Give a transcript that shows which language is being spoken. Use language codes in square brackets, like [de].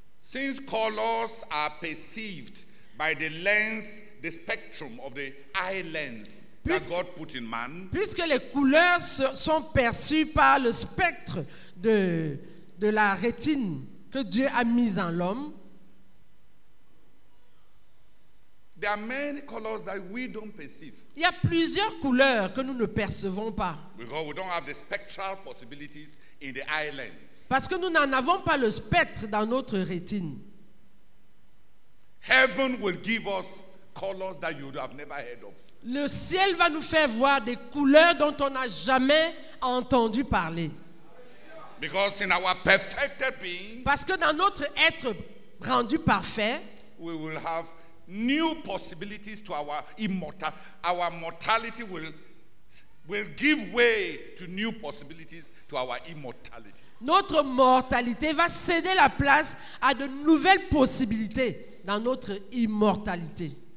[en] Since colors are perceived by the lens, the spectrum of the eye lens that God put in man. [fr] Puisque les couleurs sont perçues par le spectre de la rétine que Dieu a mise en l'homme. [en] There are many colors that we don't perceive. [fr] Il y a plusieurs couleurs que nous ne percevons pas. [en] Because we don't have the spectral possibilities in the eye lens. [fr] Parce que nous n'en avons pas le spectre dans notre rétine. [en] Heaven will give us colors that you have never heard of. [fr] Le ciel va nous faire voir des couleurs dont on n'a jamais entendu parler. [en] Because in our perfected being, [fr] parce que dans notre être rendu parfait, [en] we will have new possibilities to our immortal. Our mortality will give way to new possibilities to our immortality. [fr] Notre mortalité va céder la place à de nouvelles possibilités dans notre immortalité.